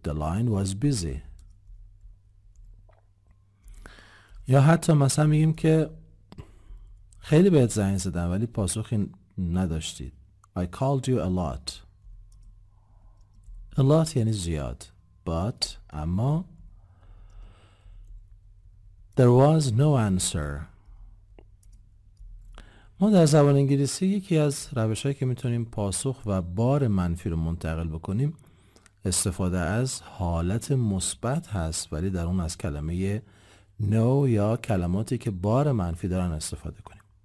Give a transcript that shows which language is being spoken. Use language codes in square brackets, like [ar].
[en] The line was busy. [fa] یا حتی مثلا میگیم که خیلی بهت زنگ زدم ولی پاسخی نداشتید. [en] I called you a lot. A lot [fa] یعنی زیاد. [en] But اما there was no answer. [fa] ما در زبان انگلیسی یکی از روشهایی که میتونیم پاسخ و بار منفی رو منتقل بکنیم استفاده از حالت مثبت هست، ولی در اون از کلمه نو یا کلماتی که بار منفی دارن استفاده کنیم.